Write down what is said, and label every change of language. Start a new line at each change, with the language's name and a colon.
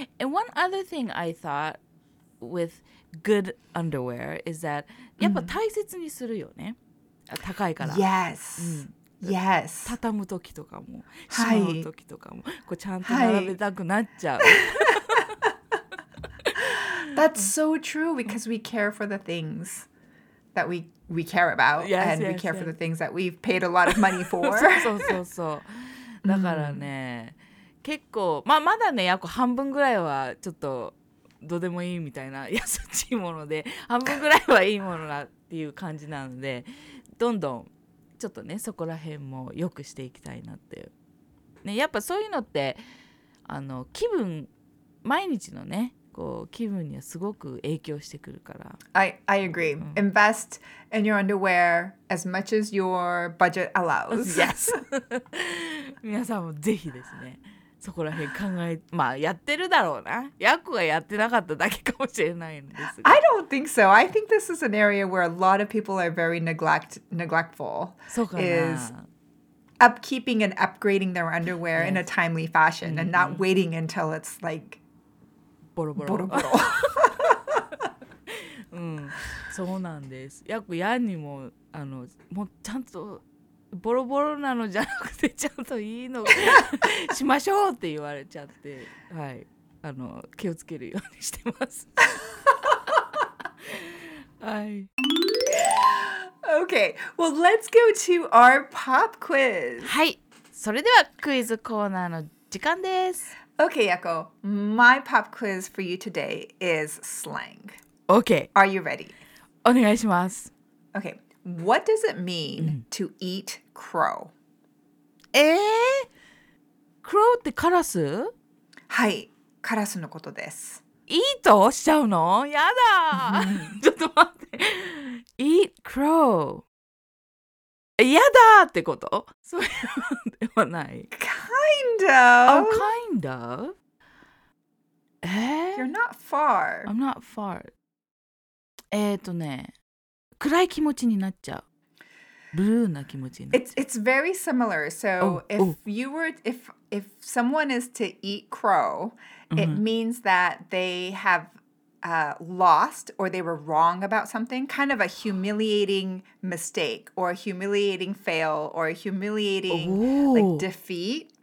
English: And one other thing I thought with good underwear is that、
Japanese: うん、やっぱ大切にするよね、高いから。
English: Yes、うん、Yes、
Japanese: 畳む時とかも、はい、しまう時とかもこうちゃんと並べたくなっちゃう、
English: はい、That's so true because we care for the things that we care about、yes, and yes, we care、yes. for the things that we've paid a lot of money for.
Japanese: そうそうそうそう、だからね、うん、結構、まあ、まだね約半分ぐらいはちょっとどうでもいいみたいな優しいもので、半分ぐらいはいいものだっていう感じなので、どんどんちょっとねそこら辺も良くしていきたいなって、ね、やっぱそういうのってあの気分、毎日のねこう気分にはすごく影響してくるから。
English: I agree、うん、Invest in your underwear as much as your budget allows.
Japanese: Yes 皆さんもぜひですねそこら辺考え、まあやってるだろうな、ヤクがやってなかっただけかもしれないんですが。
English: I don't think so. I think this is an area where a lot of people are very neglectful.
Japanese: そうかな。
English: Is upkeeping and upgrading their underwear、yes. in a timely fashion、mm-hmm. and not waiting until it's like
Japanese: ボロボロ。ボロボロ。うん、そうなんです。ヤクヤンにもあのもうちゃんとボロボロなのじゃなくてちゃんといいのしましょうって言われちゃって、はい、あの気をつけるようにしてます、はい、
English: Okay, well let's go to our pop quiz.
Japanese: はい、それではクイズコーナーの時間です。
English: Okay, Yako, my pop quiz for you today is slang. Okay, are you ready?
Japanese: お願いします。
English: OkayWhat does it mean、うん、to eat crow?
Japanese: Crow ってカラス？はい、カラスのことです。 Eat をしちゃうの？やだ。ちょっと待って。
English: Eat crow。
Japanese: やだってこと？そういうのではない。
English: Kind of. Oh, kind of. You're not far. I'm not far. ね。
Japanese: 暗い気持ちになっちゃう。ブルーな気持ちになっちゃう。
English: It's very similar. So if someone is to eat crow, it means that they have lost or they were wrong about something. Kind of a humiliating mistake or a humiliating fail or a humiliating like defeat.